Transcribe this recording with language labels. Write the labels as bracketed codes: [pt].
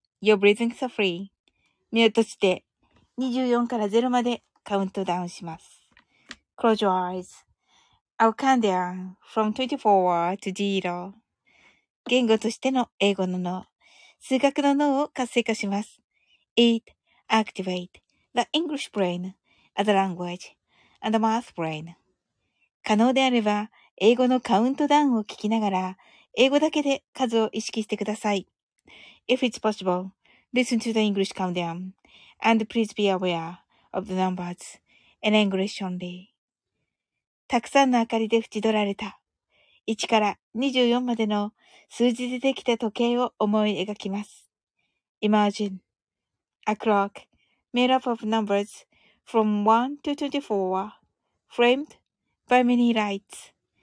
[en] Your breathing is free. [ja] 目を閉じて24から0までカウントダウンします。 [en] Close your eyes. I'll count down from 24 to 0. [ja] 言語としての英語の脳、数学の脳を活性化します。 [en] It activates the English brain as a language. And math brain. [ja] 可能であれば、英語のカウントダウンを聞きながら、英語だけで数を意識してください。 [en] If it's possible, listen to the English countdown. And please be aware of the numbers in English only. [ja] たくさんの明かりで縁取られた。1から24までの数字でできた時計を思い描きます。 [en] Imagine a clock made up of numbers. From 1 to 24, framed by many lights.